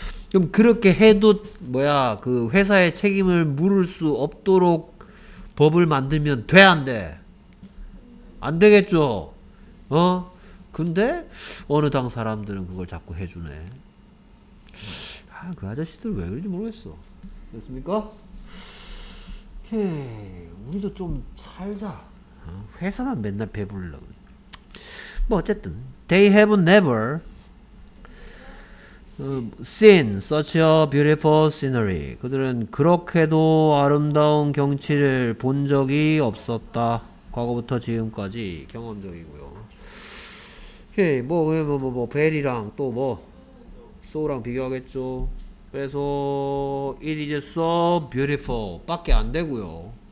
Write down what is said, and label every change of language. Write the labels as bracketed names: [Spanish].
[Korean] 그럼 그렇게 해도 뭐야 그 회사의 책임을 물을 수 없도록 법을 만들면 돼 안 돼? 안 되겠죠? 어? 근데 어느 당 사람들은 그걸 자꾸 해주네. 아, 그 아저씨들 왜 그런지 모르겠어. 됐습니까? 오케이. 우리도 좀 살자. 어? 회사만 맨날 배부르려고. 뭐 어쨌든 [English] they have never seen such a beautiful scenery. [Korean] 그들은 그렇게도 아름다운 경치를 본 적이 없었다. 과거부터 지금까지 경험적이고요. 오케이. 뭐 벨이랑 또 뭐 소우랑 비교하겠죠. 그래서 [English] it is so beautiful [Korean] 밖에 안 되고요.